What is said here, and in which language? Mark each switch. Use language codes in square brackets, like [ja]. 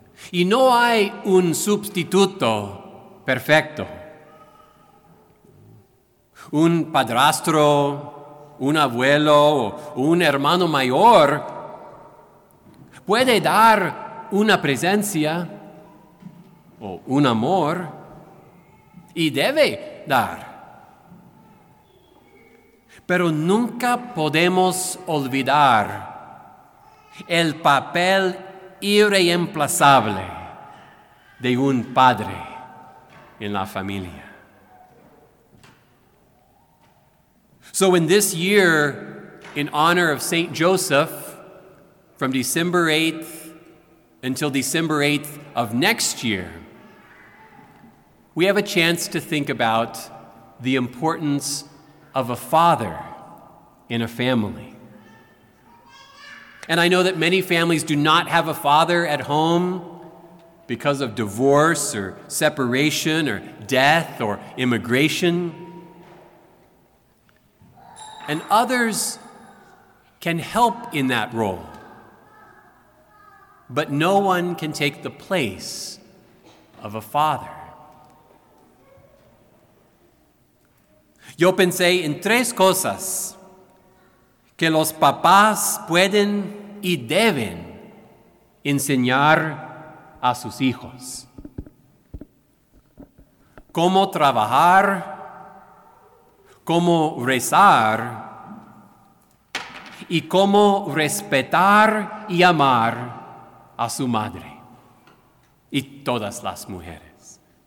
[es] Y no hay un sustituto perfecto, un padrastro, un abuelo o un hermano mayor puede dar una presencia o un amor y debe dar. Pero nunca podemos olvidar el papel irreemplazable de un padre en la familia. [en] So in this year, in honor of Saint Joseph, from December 8th until December 8th of next year, we have a chance to think about the importance of a father in a family. And I know that many families do not have a father at home because of divorce or separation or death or immigration. And others can help in that role, but no one can take the place of a father. [es] Yo pensé en 3 cosas que los papás pueden y deben enseñar a sus hijos. Cómo trabajar, cómo rezar, y cómo respetar y amar a su madre y todas las mujeres.